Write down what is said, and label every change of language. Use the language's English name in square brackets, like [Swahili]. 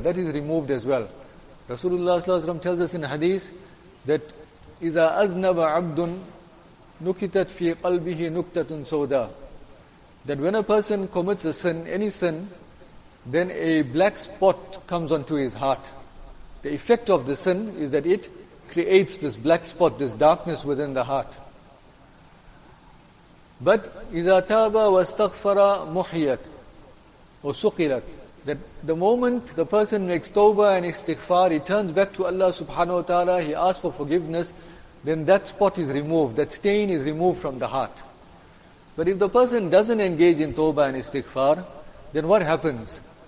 [English] That is removed as well. Rasulullah sallallahu alaihi wasallam tells us in hadith that [Arabic] إِذَا أَذْنَبَ عَبْدٌ نُكِتَتْ فِي قَلْبِهِ نُكْتَةٌ سَوْدَى. [English] That when a person commits a sin, any sin, then a black spot comes onto his heart. The effect of the sin is that it creates this black spot, this darkness within the heart. But [Arabic] إِذَا تَابَ وَاسْتَغْفَرَ مُحِيَتْ وَسُقِلَتْ. [English] that the moment the person makes tawbah and istighfar, he turns back to Allah subhanahu wa ta'ala, he asks for forgiveness, then that spot is removed, that stain is removed from the heart. But if the person doesn't engage in tawbah and istighfar, then what happens?